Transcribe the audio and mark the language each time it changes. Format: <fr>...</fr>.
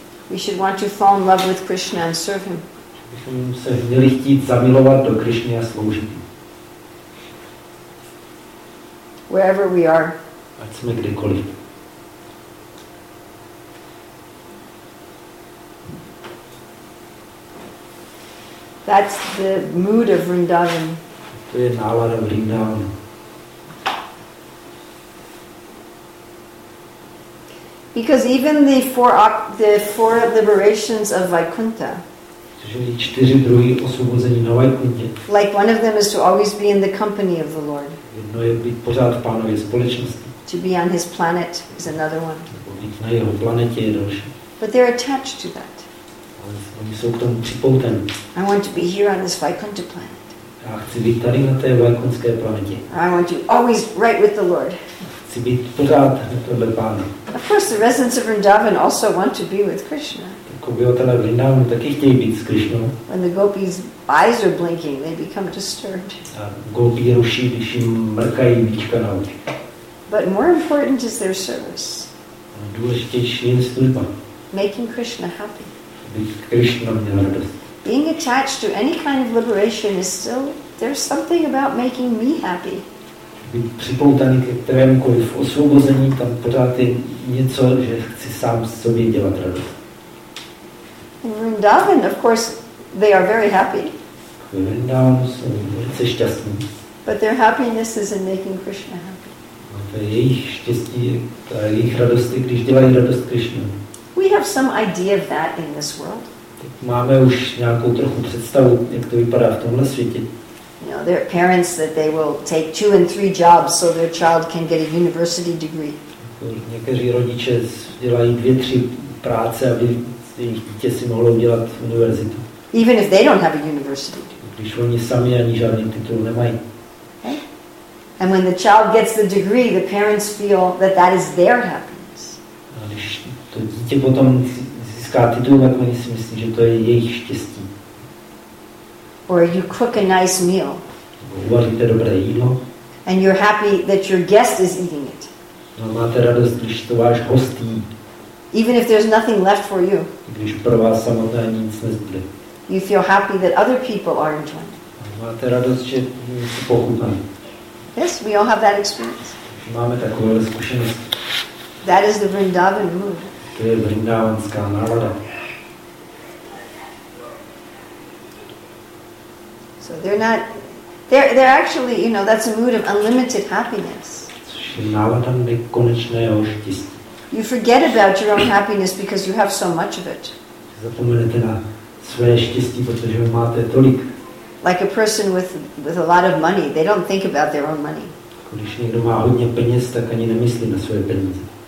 <en>We should want to fall in love with Krishna and serve him.</en> <cs>Bychom se měli chtít zamilovat do Krishny a sloužit mu.</cs> <en>Wherever we are.</en> <cs>Ať jsme kdekoliv.</cs> <en>That's the mood of Vrindavan.</en> <cs>To je nálada Vrindavanu.</cs> <en>Because even the four liberations of Vaikuntha.</en> <cs>Čtyři druhy osvobození na Vaikuntě.</cs> <en>Like one of them is to always be in the company of the Lord.</en> <cs>Jedno je být pořád v Pánově společnosti.</cs> <en>To be on his planet is another one.</en> <cs>Být na jeho planetě je další.</cs> <en>But they're attached to that.</en> <cs>Oni jsou k tomu připouteni.</cs> <en>I want to be here on this Vaikuntha planet.</en> <cs>Já chci být tady na té vaikuntské planetě.</cs> <en>I want to always right with the Lord.</en> <cs>Chci být pořád vedle Pána.</cs> <en>Of course, the residents of Vrindavan also want to be with Krishna.</en> <cs>Tak obyvatelé Vrindavanu taky chtějí být s Krishnou.</cs> <en>When the gopis' eyes are blinking, they become disturbed.</en> <cs>A gopi ruší, když jim mrkají víčka na oči.</cs> <en>But more important is their service.</en> <cs>Důležitější je služba.</cs> <en>Making Krishna happy.</en> <cs>Být Krishna měl radost.</cs> <en>Being attached to any kind of liberation is still, there's something about making me happy.</en> <cs>Být připoutaný ke kterémkoliv osvobození, tam pořád je něco, že chci sám s sobě dělat radost.</cs> <en>In Vrindavan, of course, they are very happy.</en> <cs>Ve Vrindavanu jsou velice šťastní.</cs> <en>But their happiness is in making Krishna happy.</en> <cs>A to je jejich štěstí, to je jejich radost, když dělají radost Krishna.</cs> <en>We have some idea of that in this world.</en> <cs>Teď máme už nějakou trochu představu, jak to vypadá v tomhle světě.</cs> <en>You know, there are parents that they will take 2 and 3 jobs so their child can get a university degree.</en> <cs>Někteří rodiče dělají 2-3 práce, aby jejich dítě si mohlo udělat univerzitu.</cs> <en>Even if they don't have a university degree.</en> <cs>Když oni sami ani žádný titul nemají.</cs> <en>Okay. And when the child gets the degree, the parents feel that that is their happiness.</en> <cs>A když to dítě potom získá titul, tak oni si myslí, že to je jejich štěstí.</cs> <en>Or you cook a nice meal.</en> <cs>Uvaříte dobré jídlo.</cs> <en>And you're happy that your guest is eating it.</en> <cs>No, máte radost, když to váš host jí.</cs> <en>Even if there's nothing left for you.</en> <cs>Když pro vás samotné nic nezbude.</cs> <en>You feel happy that other people are enjoying.</en> <cs>Máte radost, že jsi pochutnaný.</cs> <en>Yes, we all have that experience.</en> <cs>Máme takovou zkušenost.</cs> <en>That is the Vrindavan mood.</en> <cs>To je vrindavanská nálada.</cs> <en>So they're not, they're actually, you know, that's a mood of unlimited happiness. You forget about your own happiness because you have so much of it.</en> <cs>Zapomenete na své štěstí, protože máte tolik.</cs> <en>Like a person with a lot of money, they don't think about their own money.</en> <cs>Když někdo má hodně peněz, tak ani nemyslí na své peníze.</cs>